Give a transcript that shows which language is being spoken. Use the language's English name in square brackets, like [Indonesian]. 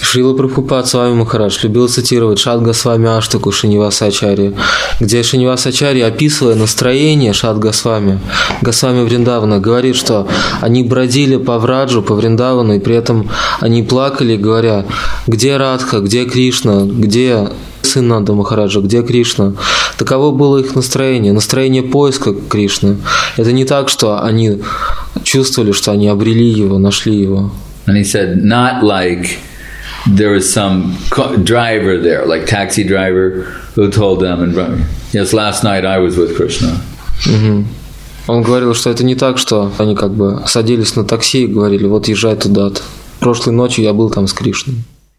[Russian] Шрила Прабхупада Свами Махарадж любил цитировать Шад Госвами Аштаку Шринивас Ачарья, где Шринивас Ачарья, описывая настроение Шад Госвами, Госвами Вриндавана, говорит, что они бродили по Враджу, по Вриндавану, и при этом они плакали, говоря, где Радха, где Кришна, где сын Нанда Махараджа, где Кришна. Таково было их настроение, настроение поиска Кришны. Это не так, что они чувствовали, что они обрели его, нашли его. [English] And he said, not like there was some driver there, like taxi driver who told them, and yes, last night I was with Krishna. [Russian] Он говорил, что это не так, что они как бы садились на такси и говорили, вот езжай туда-то. Прошлой ночью я был там с Кришной.